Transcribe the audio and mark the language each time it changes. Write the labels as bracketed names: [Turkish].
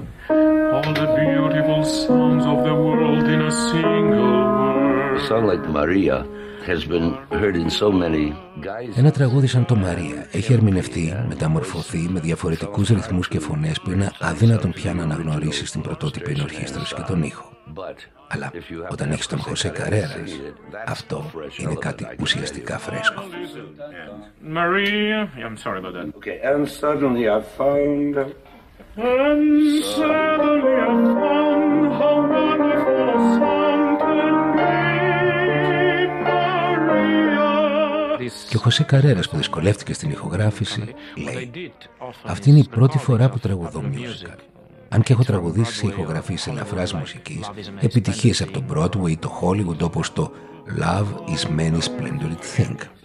[English] All the beautiful sounds of the world in a single word. A song like Maria has been heard in so many guys. [Greek] Ένα τραγούδι σαν το Μαρία έχει ερμηνευτεί, μεταμορφωθεί με διαφορετικούς ρυθμούς και φωνές που είναι αδύνατον πια να αναγνωρίσεις την πρωτότυπη ενορχήστρωση και τον ήχο. Αλλά όταν έχεις τον Χωσέ Καρέρας, αυτό είναι κάτι ουσιαστικά φρέσκο. [English] Maria, I'm sorry about that. Okay, and suddenly I found... And suddenly I found how wonderful a song can be, Maria. [Greek] Και ο Χωσέ Καρέρας που δυσκολεύτηκε στην ηχογράφηση, λέει, αυτή είναι η πρώτη φορά που τραγουδώ musical. Αν και έχω τραγουδήσει σε ηχογραφίες ελαφράς μουσικής, επιτυχίες από το Broadway ή το Hollywood, όπως το Love is Many Splendid Thing.